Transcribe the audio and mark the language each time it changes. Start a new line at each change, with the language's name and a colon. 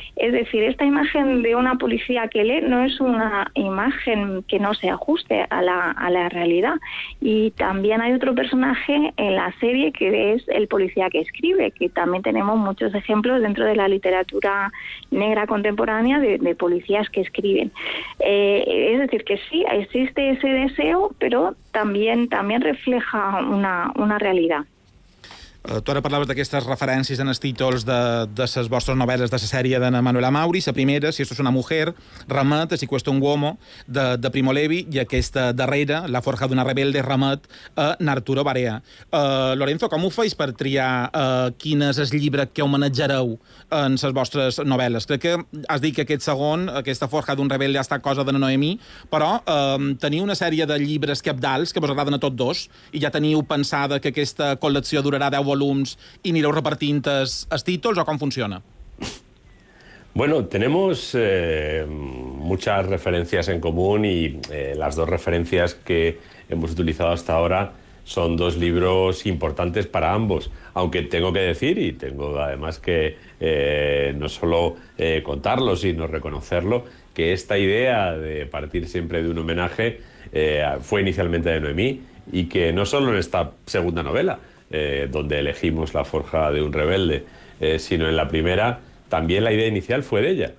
Spanish: Es decir, esta imagen de una policía que lee no es una imagen que no se ajuste a la realidad. Y también hay otro personaje en la serie que es el policía que escribe, que también tenemos muchos ejemplos dentro de la literatura negra contemporánea de policías que escriben. Es decir, que sí, existe ese deseo,
Catalan: però també refleja una realitat. Tu ara parlaves d'aquestes referències en els títols de les vostres novel·les de la sèrie d'Anna Manuela Mauri. La primera, Si esto es una mujer, remet a Si cuesta un uomo, de Primo Levi, i aquesta darrera, La forja d'una rebelde, remet a Arturo Barea. Lorenzo, com ho feis per triar quin és el llibre que homenatjareu en les vostres novel·les? Crec que has dit que aquest segon, aquesta forja d'un rebelde, ha estat cosa de Noemí, però teniu una sèrie de llibres capdals que vos agraden a tots dos, i ja teniu pensada que aquesta col·lecció durarà 10 volums
Spanish: y ni los repartintes títulos, ¿o cómo funciona? Bueno, tenemos muchas referencias en común y las dos referencias que hemos utilizado hasta ahora son dos libros importantes para ambos, aunque tengo que decir y tengo además que no solo contarlo sino reconocerlo, que esta idea de partir siempre de un homenaje fue inicialmente de Noemí, y que no solo en esta segunda novela donde elegimos La forja de un rebelde, sino en la primera, también la idea inicial fue de ella.